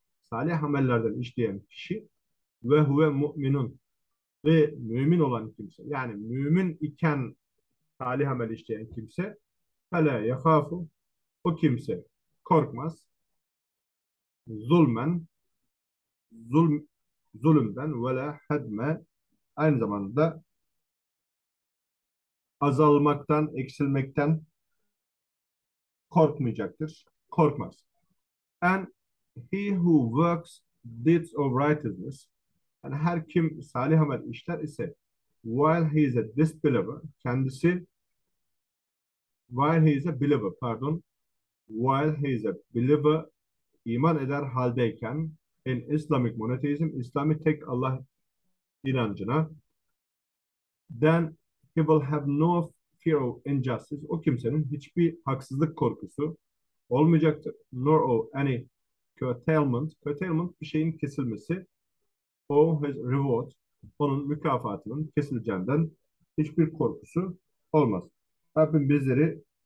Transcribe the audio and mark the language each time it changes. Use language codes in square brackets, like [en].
[tr] salih amellerden işleyen kişi, ve huve mu'minun, ve mümin olan kimse, yani mümin iken salih amel işleyen kimse, fele yehafu, o kimse korkmaz zulmen, zulümden, ve la hedme, aynı zamanda azalmaktan, eksilmekten korkmayacaktır, korkmaz. [en] And he who works deeds of righteousness, [tr] yani her kim salih amel işler ise, [en] while he is a disbeliever, [tr] kendisi, [en] while he is a believer, pardon, while he is a believer, [tr] iman eder haldeyken, [en] in Islamic monotheism, [tr] İslami tek Allah inancına, [en] then he will have no fear of injustice. [tr] O kimsenin hiçbir haksızlık korkusu olmayacaktır. [en] Nor of any curtailment. Curtailment [tr] bir şeyin kesilmesi. [en] Of his reward. [tr] Onun mükafatının kesileceğinden hiçbir korkusu olmaz. Rabbim bizleri